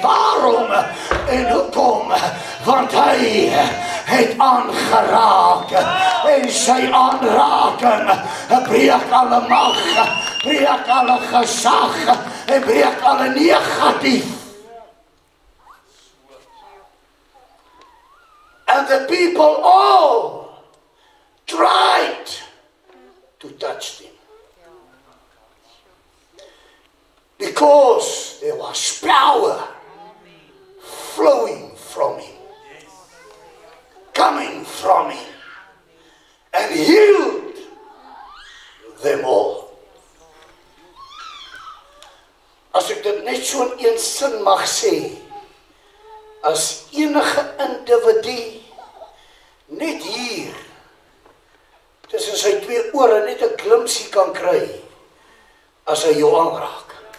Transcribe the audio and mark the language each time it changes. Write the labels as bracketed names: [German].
[Afrikaans] Waarom en hoekom? Want hy het aangeraak en sy aanraking breek alle mag, breek alle gesag en breek alle negatief. [English] And the people all tried to touch him because there was power flowing from him, coming from him, and healed them all. [Afrikaans] As ek dit net so in een sin mag sê, as enige individu net hier tussen sy twee ore net 'n glimpsie kan kry as hy jou aanraak.